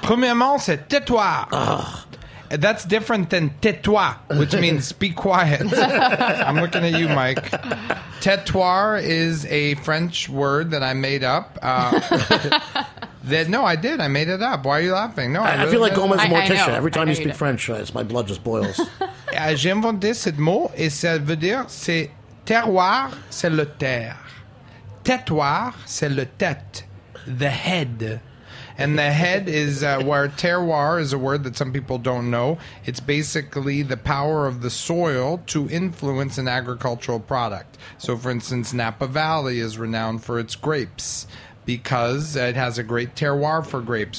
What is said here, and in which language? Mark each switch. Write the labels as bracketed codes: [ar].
[fr] Premièrement, c'est Tetoir. [en] That's different than tais-toi, which means be quiet. I'm looking at you, Mike. Tetoir is a French word that I made up. I made it up. Why are you laughing? No, I feel like Gomez Morticia. Every time you speak French, my blood just boils. [fr] J'ai inventé ce mot, et ça veut dire c'est terroir, c'est le terre. Tetoir, c'est le tête, [en] the head. And the head is where terroir is a word that some people don't know. It's basically the power of the soil to influence an agricultural product. So, for instance, Napa Valley is renowned for its grapes because it has a great terroir for grapes.